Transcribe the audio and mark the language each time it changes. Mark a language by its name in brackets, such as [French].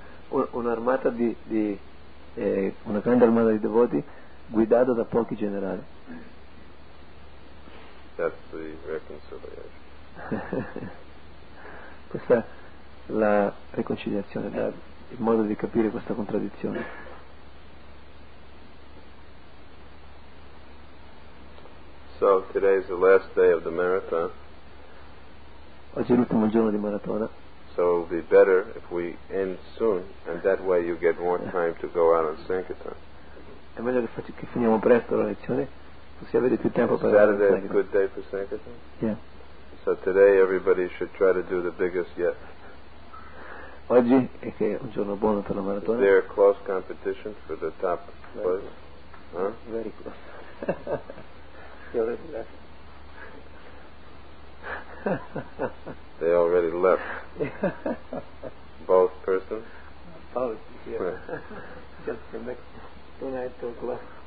[Italian] Un'armata di una grande armata di devoti guidata da pochi generali. [English] That's the reconciliation. [Italian] Questa è la riconciliazione, il modo di capire questa contraddizione. [English] So today is the last day of the marathon. [Italian] Oggi è l'ultimo giorno di maratona. [English] So it would be better if we end soon, and that way you get more time to go out on Sankirtan. [Italian] È meglio che finiamo presto la lezione, così avete più tempo per andare. [English] Saturday is a good day for Sankirtan. Yeah. So today everybody should try to do the biggest yet. [Italian] Oggi è che è un giorno buono per la maratona. [English] Is there a close competition for the top place? Very close. Huh? Very close. They already left. Both persons? Both, yeah. Just for me. Then I took left.